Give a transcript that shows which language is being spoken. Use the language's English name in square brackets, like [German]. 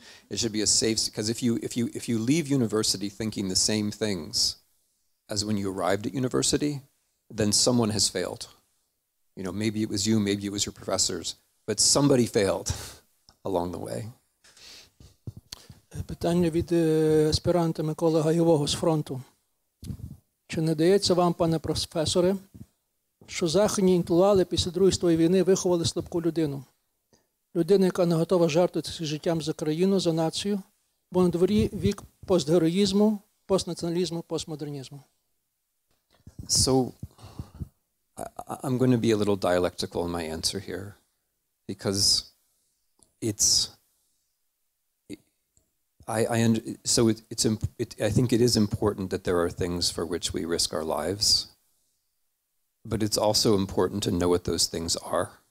[English] It should be a safe, because if you leave university thinking the same things as when you arrived at university, then someone has failed. You know, maybe it was you, maybe it was your professors, but somebody failed along the way. [Ukrainian] Питання від аспіранта Миколи Гайового з фронту. Чи не дається вам, пане професоре, що західні інтелектуали після Другої світової війни виховали слабку людину? Людину, яка не готова жертвувати життям за країну, за націю, бо на дворі вік постгероїзму, постнаціоналізму, постмодернізму. [English] So, I'm going to be a little dialectical in my answer here, because I think it is important that there are things for which we risk our lives, but it's also important to know what those things are.